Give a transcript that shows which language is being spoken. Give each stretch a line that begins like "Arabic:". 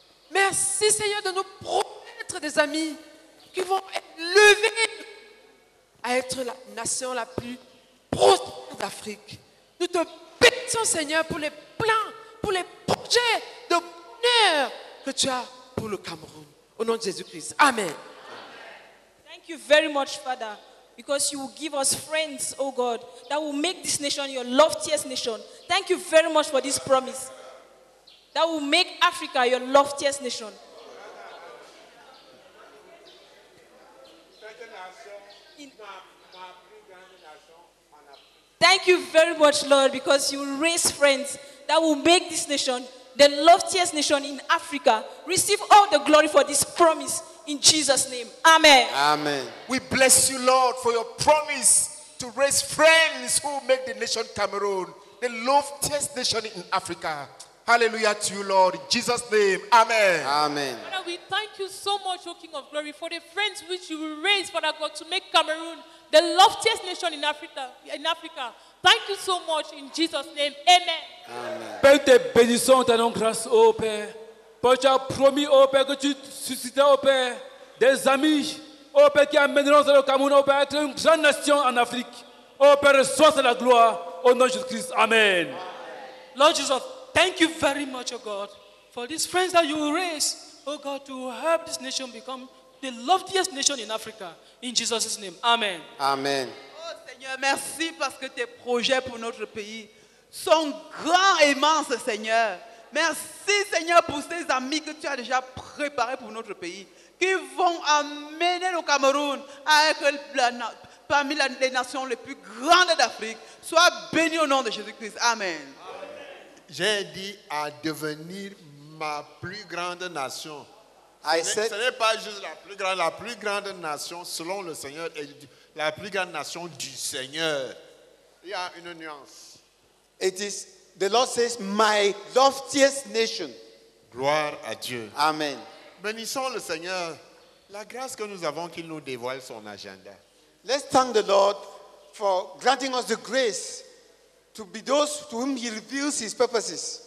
French: Merci, Seigneur, de nous promettre des amis qui vont élever à être la nation la plus prospère d'Afrique. Nous te bénissons, Seigneur, pour les plans, pour les projets de bonheur que tu as pour le Cameroun. Au nom de Jésus-Christ. Amen.
English: Thank you very much, Father. Because you will give us friends, oh God, that will make this nation your loftiest nation. Thank you very much for this promise. That will make Africa your loftiest nation. Thank you very much, Lord, because you raise friends that will make this nation the loftiest nation in Africa. Receive all the glory for this promise. In Jesus' name. Amen. Amen. We bless you, Lord, for your promise to raise friends who make the nation Cameroon the loftiest nation in Africa. Hallelujah to you, Lord. In Jesus' name. Amen. Amen. Father, we thank you so much, O King of Glory, for the friends which you will raise, Father God, to make Cameroon the loftiest nation in Africa. Thank you so much. In Jesus' name. Amen. Amen.
French: Père, te bénissons, ta nom grâce, ô Père. Père, tu as promis, ô Père, que tu susciteras, ô Père, des amis, ô Père, qui amèneront le Cameroun, ô Père, à être une grande nation en Afrique. Ô Père, reçois la gloire, au nom de Jésus-Christ. Amen.
English: Lord Jesus, thank you very much, O God, for these friends that you will raise, O God, to help this nation become the loftiest nation in Africa. In Jesus' name, amen. Amen.
French: Oh Seigneur, merci parce que tes projets pour notre pays sont grands et immenses, Seigneur. Merci, Seigneur, pour ces amis que tu as déjà préparés pour notre pays, qui vont amener le Cameroun à être parmi les nations les plus grandes d'Afrique. Sois béni au nom de Jésus-Christ. Amen. Amen. J'ai dit à devenir ma plus grande nation. Ce n'est pas juste la plus grande nation selon le Seigneur, et la plus grande nation du Seigneur. Il y a une nuance.
English: It is... The Lord says, my loftiest nation.
French: Gloire à Dieu. Amen. Bénissons le Seigneur. La grâce que nous avons qu'il nous dévoile son agenda.
English: Let's thank the Lord for granting us the grace to be those to whom he reveals his purposes.